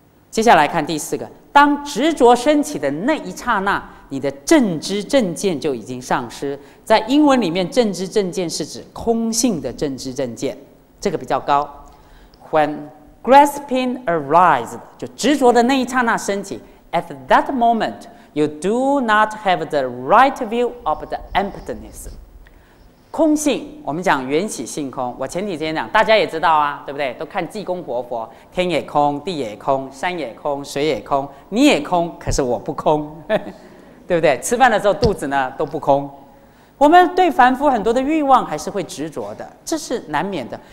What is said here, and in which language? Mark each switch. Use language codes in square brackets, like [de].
[zh] 接下来看第四个，当执着升起的那一刹那，你的正知正见就已经丧失。在英文里面，正知正见是指空性的正知正见，这个比较高。 [en] When grasping arises, [zh] 就执着的那一刹那升起， [en] at that moment, you do not have the right view of the emptiness. [zh] 空性，我们讲缘起性空，我前几天讲大家也知道啊，对不对？都看济公活佛，天也空，地也空，山也空，水也空，你也空，可是我不空，对不对？吃饭的时候肚子呢都不空，我们对凡夫很多的欲望还是会执着的，这是难免的。